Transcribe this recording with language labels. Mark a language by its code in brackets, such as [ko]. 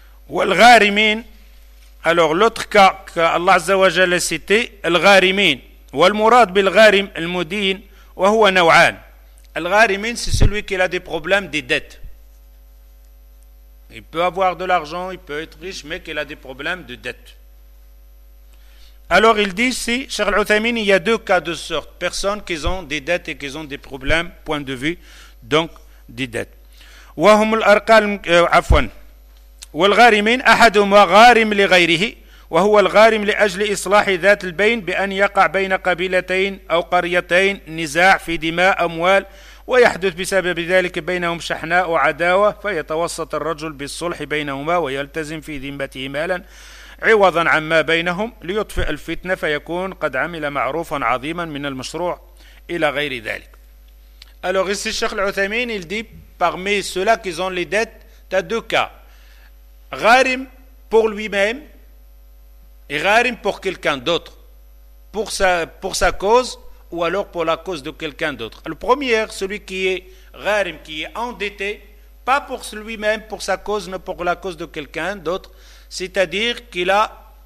[fr] والغارمين alors l'autre cas qu'Allah Azza wa Jalla a cité [ar] الغارمين والمراد بالغارم المدين وهو نوعان الغارمين [fr] c'est celui qui a des problèmes, des dettes. Il peut avoir de l'argent, il peut être riche, mais qu'il a des problèmes de dettes. Alors il dit ici, Cheikh Al-Uthaymeen, il y a deux cas de sorte, personnes qui ont des dettes et qui ont des problèmes, point de vue, donc des dettes. [ar] وهم الأرقال عفوا والغارمين أحدهما غارم لغيره وهو الغارم لأجل إصلاح ذات البين بأن يقع بين قبيلتين أو قريتين نزاع في دماء أموال ويحدث بسبب ذلك بينهم شحناء وعداوة فيتوسط الرجل بالصلح بينهما ويلتزم في ذمته مالا عوضا عما بينهم ليطفئ الفتنة فيكون قد عمل معروفا عظيما من المشروع إلى غير ذلك. [fr] Alors ici Cheikh Al-Uthaymeen il dit parmi ceux-là qui ont les dettes, t'as deux cas. Gharim pour lui-même et gharim pour quelqu'un d'autre, pour sa cause ou alors pour la cause de quelqu'un d'autre. Le premier, celui qui est gharim, qui est endetté, pas pour lui-même, pour sa cause, mais pour la cause de quelqu'un d'autre, c'est-à-dire qu'il a